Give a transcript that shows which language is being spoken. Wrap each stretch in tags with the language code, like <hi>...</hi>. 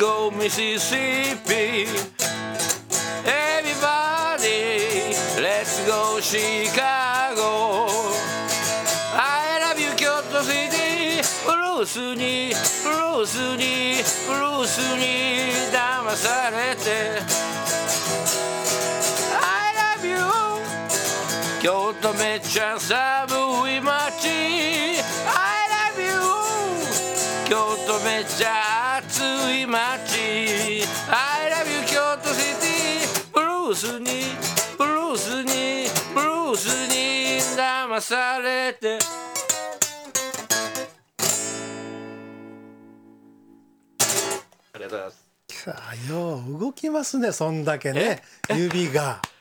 <en>Mississippi, everybody, let's go Chicago. I love you, Kyoto City.</en> <ja>Bruce に、 Bruce に、 Bruce に騙されて。</ja> <en>I love you, Kyoto,</en> <ja>めっちゃ寒い街。</ja> <en>I love you, Kyoto,</en> <ja>めっちゃ暑い街。</ja> <en>I love you 京都 City、</en> <ja>ブルースに、ブルースに、ブルースに騙されて。ありがとうございます。さあよう動きますね、そんだけね指が、</ja>